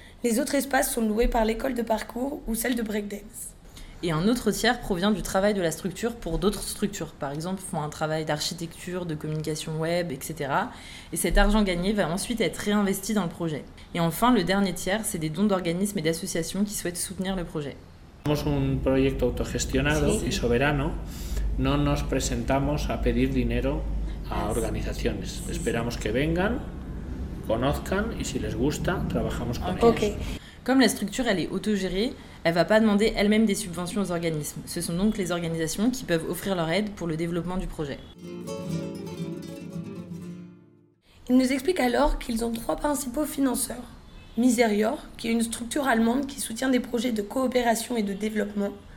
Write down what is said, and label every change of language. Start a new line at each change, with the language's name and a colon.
French: Les autres espaces sont loués par l'école de parcours ou celle de breakdance. Et un autre tiers provient du travail de la structure pour d'autres structures. Par exemple, font un travail d'architecture, de communication web, etc. Et cet argent gagné va ensuite être réinvesti dans le projet. Et enfin, le dernier tiers, c'est des dons d'organismes et d'associations qui souhaitent soutenir le projet.
Spanish: Somos un proyecto autogestionado y soberano. No nos presentamos a pedir dinero a organizaciones. Esperamos que vengan, conozcan y si les gusta, trabajamos con ellos. Okay.
French: Comme la structure elle est autogérée, elle ne va pas demander elle-même des subventions aux organismes. Ce sont donc les organisations qui peuvent offrir leur aide pour le développement du projet. Ils nous expliquent alors qu'ils ont trois principaux financeurs. Miserior, qui est une structure allemande qui soutient des projets de coopération et de développement.